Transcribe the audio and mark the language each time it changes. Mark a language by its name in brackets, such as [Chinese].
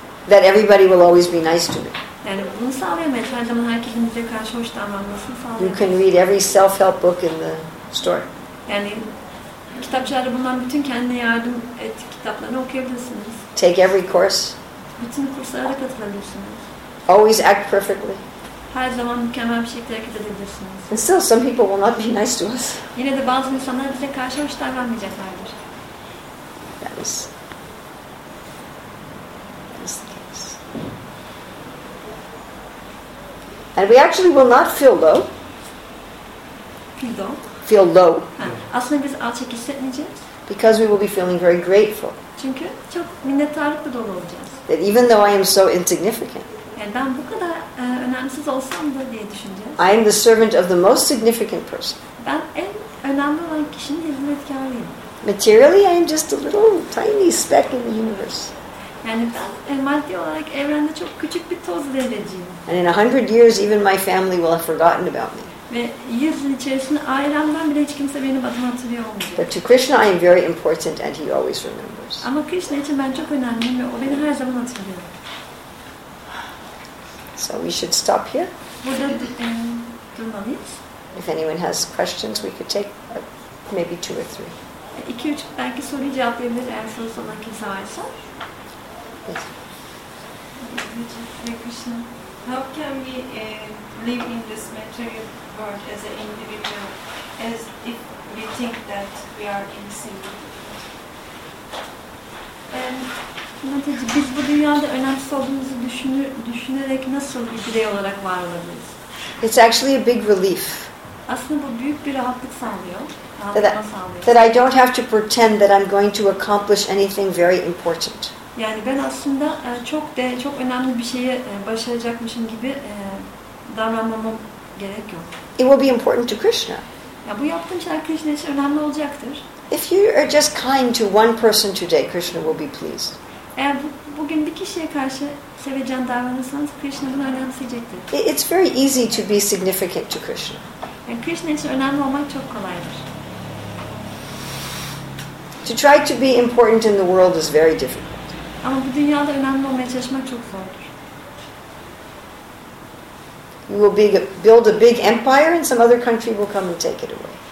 [English] That everybody will always be nice to me. [Turkish] Yani bunu sağlayamayız. Her zaman herkesin bize karşı hoş davranmasını sağlayamayız. [English] You can read every self-help book in the store. [Turkish] Yani kitapçılarda bulunan bütün kendine yardım et kitaplarını okuyabilirsiniz. [English] Take every course. [Turkish] Bütün kurslara da katılabilirsiniz. [English] Always act perfectly. [Turkish] Her zaman mükemmel bir şekilde hareket edebilirsiniz. [English] And still some people will not be nice to us. [Turkish] Yine de bazı insanlar bize karşı hoş davranmayacaklardır. [English] That is the case. And we actually will not feel low. Feel low. [Turkish] Ha, aslında biz alçak hissetmeyeceğiz. [English] Because we will be feeling very grateful. [Turkish] Çünkü çok minnettarlıkla dolu olacağız. [English] That even though I am so insignificant. [Turkish] Yani ben bu kadar önemsiz olsam da diye düşüneceğiz. [English] I am the servant of the most significant person. [Turkish] Ben en önemli olan kişinin hizmetkarıyım. [English] Materially I am just a little tiny speck in the universe. [Turkish] Yani ben maddi olarak evrende çok küçük bir toz zerreciyim. [English] And in 100 years even my family will have forgotten about me. [Turkish] Ve 100 yıl içerisinde ailemden bile hiç kimse beni batım hatırlıyor olmayacak. [English] But to Krishna I am very important and he always remembers. [Turkish] Ama Krishna için ben çok önemliyim ve o beni her zaman hatırlıyor. [English] So we should stop here. [Turkish] Burada durmalıyız. [English] If anyone has questions we could take maybe 2 or 3. [Turkish] 2-3 belki soruyu cevaplayabilir eğer soru sorulan kimse varsa. [English] Yes. Hare Krishna. How can we live in this material world as an individual, as if we think that we are insignificant? [Turkish] And biz bu dünyada önemsiz olduğumuzu düşünerek nasıl bir birey olarak var olabiliriz? [English] It's actually a big relief. [Turkish] Aslında bu büyük bir rahatlık sağlıyor. [English] That I don't have to pretend that I'm going to accomplish anything very important. [Turkish] Yani ben aslında çok önemli bir şeyi başaracakmışım gibi davranmamam gerek yok. [English] It will be important to Krishna. [Turkish] Ya bu yaptığım şeyler Krishna için önemli olacaktır. [English] If you are just kind to one person today, Krishna will be pleased. [Turkish] Eğer bugün bir kişiye karşı sevecen davranırsanız Krishna bunu önemseyecektir. [English] It's very easy to be significant to Krishna. [Turkish] Yani Krishna için önemli olmak çok kolaydır. [English] To try to be important in the world is very difficult. [Turkish] Ama bu dünyada önemli olmaya çalışmak çok zordur. [English] You will build a big empire and some other country will come and take it away.